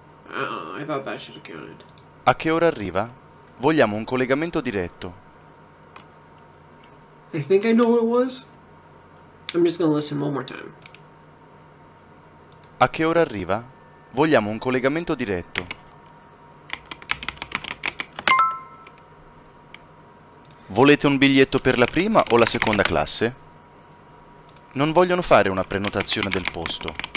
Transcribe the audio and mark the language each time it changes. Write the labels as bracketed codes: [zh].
[en] I thought that should have counted. [it] A che ora arriva? Vogliamo un collegamento diretto. [en] I think I know what it was. I'm just gonna listen one more time. [it] A che ora arriva? Vogliamo un collegamento diretto. Volete un biglietto per la prima o la seconda classe? Non vogliono fare una prenotazione del posto.